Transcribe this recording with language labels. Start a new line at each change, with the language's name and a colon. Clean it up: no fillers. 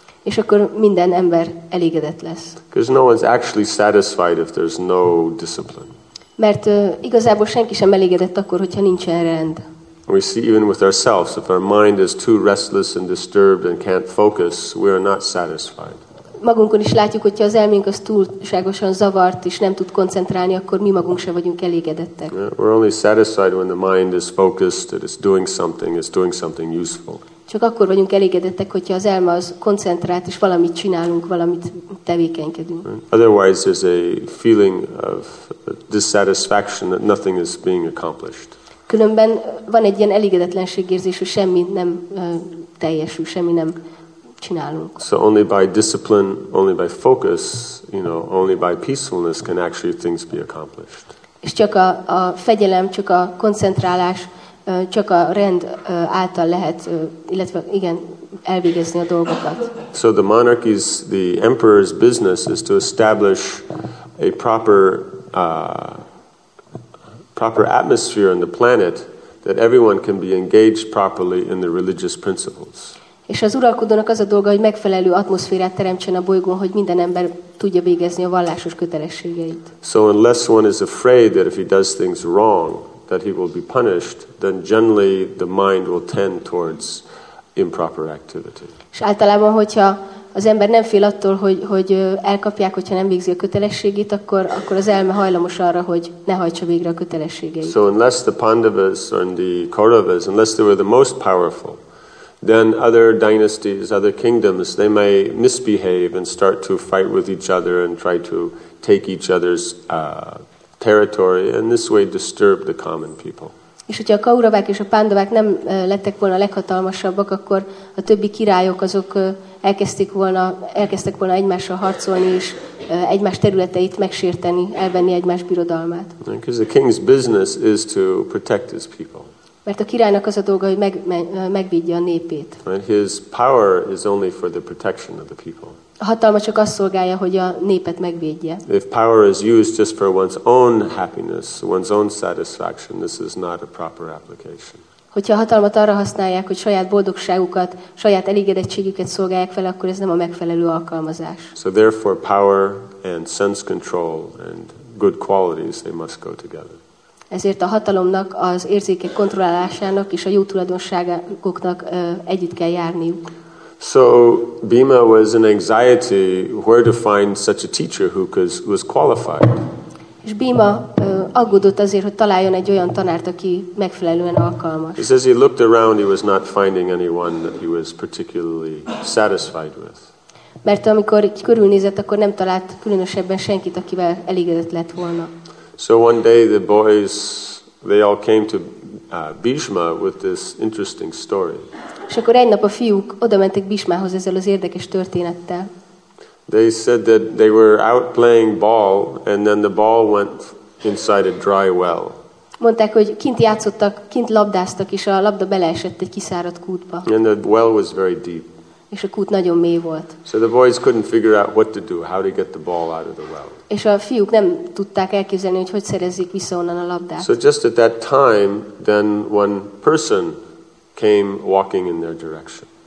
Hungarian: És akkor minden ember elégedett lesz.
English: Because no one's actually satisfied if there's no discipline.
Hungarian: Mert igazából senki sem elégedett akkor, hogyha nincsen rend.
English: We see even with ourselves, if our mind is too restless and disturbed and can't focus, we are not satisfied.
Hungarian: Magunkon is látjuk, hogy ha az elménk az túlságosan zavart és nem tud koncentrálni, akkor mi magunk sem vagyunk elégedettek.
English: We're only satisfied when the mind is focused, that it's doing something useful.
Hungarian: Csak akkor vagyunk elégedettek, hogyha az elme az koncentrált és valamit csinálunk, valamit tevékenykedünk.
English: Otherwise, there's a feeling of dissatisfaction that nothing is being accomplished.
Hungarian: Különben van egy ilyen elégedetlenség érzés, hogy semmi nem teljesül, semmi nem csinálunk.
English: So only by discipline, only by focus, you know, only by peacefulness can actually things be accomplished.
Hungarian: És csak a fegyelem, csak a koncentrálás, csak a rend által lehet, illetve igen, elvégezni a dolgokat.
English: So the monarchy's, the emperor's business is to establish a proper proper atmosphere on the planet that everyone can be engaged properly in the religious principles.
Hungarian: És az uralkodónak az a dolga, hogy megfelelő atmoszférát teremtsen a bolygón, hogy minden ember tudja végezni a vallásos kötelességeit.
English: So unless one is afraid that if he does things wrong that he will be punished, then generally the mind will tend towards improper activity.
Hungarian: És általában, hogyha az ember nem fél attól, hogy elkapják, hogyha nem végzi a kötelességét, akkor az elme hajlamos arra, hogy ne hajtsa végre a kötelességeit.
English: So unless the Pandavas or the Kauravas, unless they were the most powerful, then other dynasties, other kingdoms, they may misbehave and start to fight with each other and try to take each other's territory, and this way disturb the common people.
Hungarian: És hogyha a Kauravák és a Pándavák nem lettek volna leghatalmasabbak, akkor a többi királyok azok elkezdtek volna egymással harcolni és egymás területeit megsérteni, elvenni egymás birodalmát.
English: Because the king's business is to protect his people.
Hungarian: Mert a királynak az a dolga, hogy megvédje a népét.
English: Right? His power is only for the protection of the people.
Hungarian: A hatalma csak azt szolgálja, hogy a népet megvédje.
English: If power is used just for one's own happiness, one's own satisfaction, this is not a proper application.
Hungarian: Hogyha a hatalmat arra használják, hogy saját boldogságukat, saját elégedettségüket szolgálják fel, akkor ez nem a megfelelő alkalmazás.
English: So therefore power and sense control and good qualities, they must go together.
Hungarian: Ezért a hatalomnak, az érzékek kontrollálásának és a jó tulajdonságoknak együtt kell járniuk.
English: So Bhima was in anxiety where to find such a teacher who was qualified.
Hungarian: És Bhima aggódott azért, hogy találjon egy olyan tanárt, aki megfelelően alkalmas.
English: He says he looked around, he was not finding anyone that he was particularly satisfied with.
Hungarian: Mert amikor körülnézett, akkor nem talált különösebben senkit, akivel elégedett lett volna.
English: So one day the boys, they all came to Bhishma with this interesting story.
Hungarian: És akkor egy nap a fiúk oda mentek Bhishmához ezzel az érdekes történettel.
English: They said that they were out playing ball, and then the ball went inside a dry well.
Hungarian: Mondták, hogy kint játszottak, kint labdáztak, és a labda beleesett egy kiszáradt kútba.
English: And the well was very deep.
Hungarian: És a kút nagyon mély volt.
English: So the boys couldn't figure out what to do, how to get the ball out of the well.
Hungarian: És a fiúk nem tudták elképzelni, hogy hogy szerezzék vissza onnan a labdát.
English: So just at that time, then one person came walking in their direction.